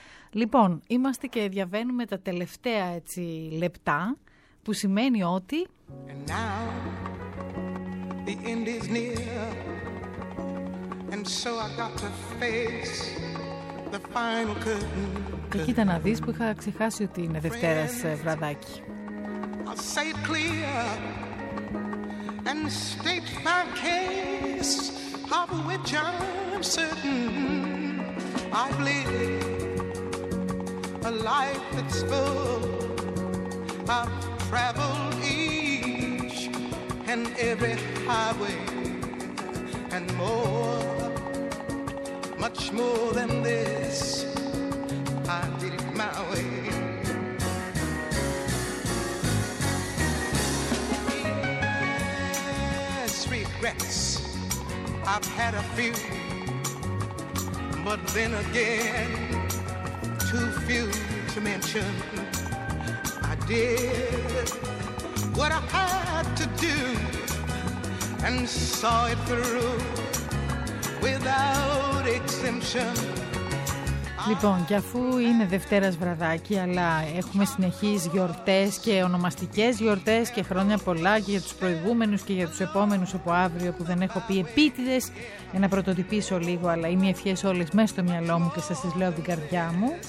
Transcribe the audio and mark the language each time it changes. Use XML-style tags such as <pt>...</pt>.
<el>Λοιπόν, είμαστε και διαβαίνουμε τα τελευταία έτσι λεπτά, που σημαίνει ότι...</el> <en>And now, the end is near. And so I got to face the final curtain.</en> <el>Και κοίτα να δεις που είχα ξεχάσει ότι είναι Δευτέρας βραδάκι.</el> <en>I'll say it clear and state my case, of which I'm certain. I've lived a life that's full. I've traveled each and every highway and more, much more than this. I did it my way. Regrets, I've had a few, but then again, too few to mention. I did what I had to do and saw it through without exemption.</en> <el>Λοιπόν, και αφού είναι Δευτέρας βραδάκι, αλλά έχουμε συνεχείς γιορτές και ονομαστικές γιορτές και χρόνια πολλά και για τους προηγούμενους και για τους επόμενους από αύριο που δεν έχω πει επίτηδες, για να πρωτοτυπήσω λίγο, αλλά είναι οι ευχές όλες μέσα στο μυαλό μου και σας τις λέω από την καρδιά μου.</el>